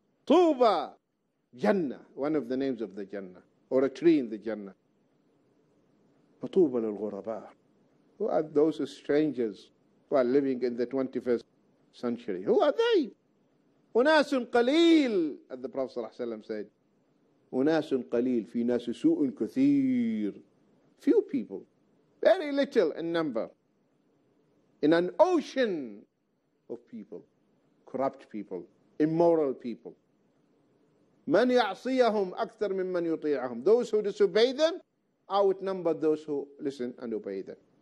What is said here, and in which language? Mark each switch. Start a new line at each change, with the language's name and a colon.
English: طُوبَ Jannah, one of the names of the Jannah, or a tree in the Jannah.
Arabic: فَطُوبَ لِلْغُرَبَى.
English: Who are those strangers who are living in the 21st century? Who are they?
Arabic: أُنَاسٌ قَلِيلٌ,
English: as the Prophet sallallahu alaihi wasallam said.
Arabic: أُنَاسٌ قَلِيلٌ فِي نَاسِ سُوءٌ كَثِيرٌ.
English: Few people, very little in number, in an ocean of people, corrupt people, immoral people.
Arabic: مَنْ يَعْصِيَهُمْ أَكْثَرْ مِمَّنْ يُطِيعَهُمْ.
English: Those who disobey them outnumber those who listen and obey them.